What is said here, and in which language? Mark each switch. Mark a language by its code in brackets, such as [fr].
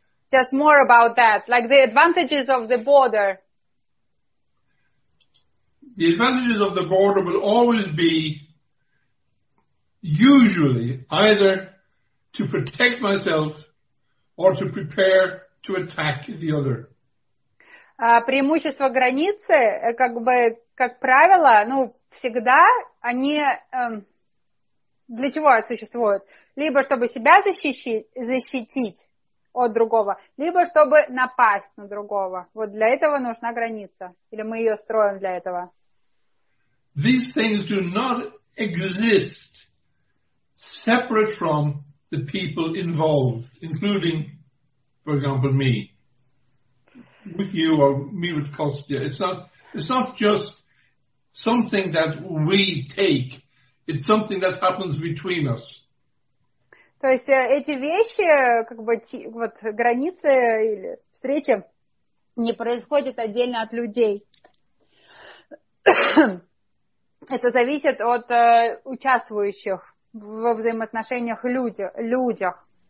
[en] Just more about that, like the advantages of the border. the advantages of the border will always be usually either to protect myself or to prepare to attack the other. [ru] Преимущество границы, как бы, как правило, ну, всегда они для чего существуют? Либо чтобы себя защитить от другого, либо чтобы напасть на другого. Вот для этого нужна граница. Или мы ее строим для этого. [en] These things do not exist separate from the people involved, including, for example, me. With you or me with Kostya. It's not just something that we take. It's something that happens between us. [ru] То есть эти вещи, как бы вот границы или встречи, не происходят отдельно от людей. Это зависит от участвующих во взаимоотношениях людях.